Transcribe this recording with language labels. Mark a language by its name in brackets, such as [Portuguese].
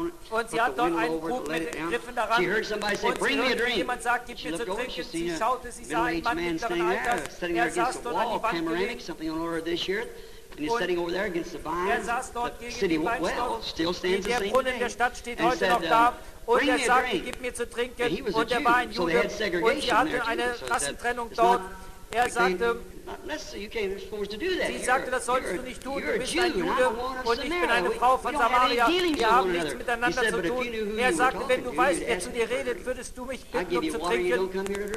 [German] Und sie hat dort einen Krug mit den Griffen daran. Und sie hörte, wie jemand sagt, gib mir zu trinken. Sie schaute, sie sah einen Mann mittleren Alters. Er saß dort an die Wand gelehnt. [English] And he's sitting over there against the vines. The city well still stands the same [German] der Stadt steht heute noch da. Und er sagte, gib mir zu trinken. Und er war ein Jude. Und sie hatte eine Rassentrennung dort. Er sagte, sie sagte, das solltest du nicht tun. Du bist ein Jude und ich bin eine Frau von Samaria. Wir haben nichts miteinander zu tun. Er sagte, wenn du weißt, wer zu dir redet, würdest du mich bitten, um zu trinken.